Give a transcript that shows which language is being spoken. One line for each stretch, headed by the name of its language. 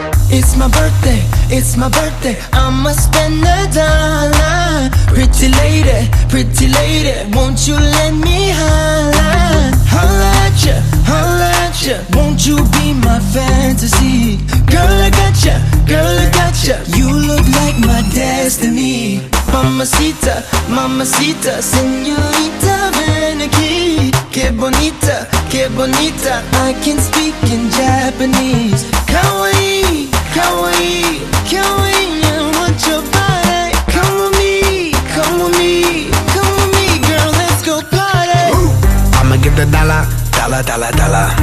English: It's my birthday, it's my birthday, I'ma spend a dollar. Pretty lady, won't you let me holla? Holla at ya, won't you be my fantasy? Girl, I gotcha, you look like my destiny.
Spanish: Mamacita, mamacita, señorita, ven aquí. Qué bonita,
English: I can speak in Japanese.
Japanese: Kawaii.
English: I'ma get the dollar, dollar, dollar, dollar.